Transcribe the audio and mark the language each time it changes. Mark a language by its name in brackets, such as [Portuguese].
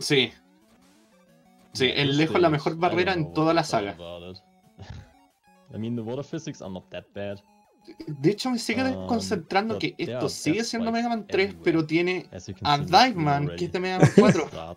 [Spanish] Sí, sí, es lejos la mejor barrera en toda la saga. [English] I mean, the water physics are not that bad. [Spanish] De hecho, me sigue desconcentrando que esto sigue siendo Mega Man 3, [English] everywhere. [Spanish] Pero tiene a Diveman, que es de Mega Man 4.